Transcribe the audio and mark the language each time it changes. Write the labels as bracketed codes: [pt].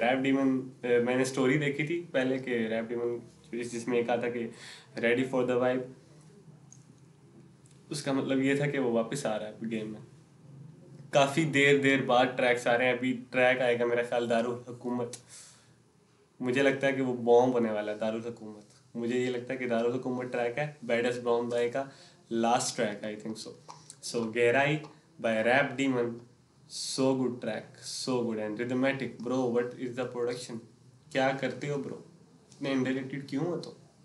[hi] Rap demon मैंने story देखी थी पहले के रैप डीमन, जिसमें एक कहा था कि [en] ready for the vibe, [hi] उसका मतलब ये था कि वो वापस आ रहा है गेम में. काफ़ी देर बाद ट्रैक्स आ रहे हैं. अभी ट्रैक आएगा मेरा ख्याल दारुल हुकूमत, मुझे लगता है कि वो बॉम्ब होने वाला है. दारुल हुकूमत, मुझे ये लगता है कि दारुल हुकूमत ट्रैक है, बैडेस्ट बॉम्ब बॉय का last track [en] I think so. So Gehrai by Rap Demon, so good track, so good and rhythmic. Bro, what is the production? [hi] क्या करते हो bro? इतने indirected क्यों हो तो?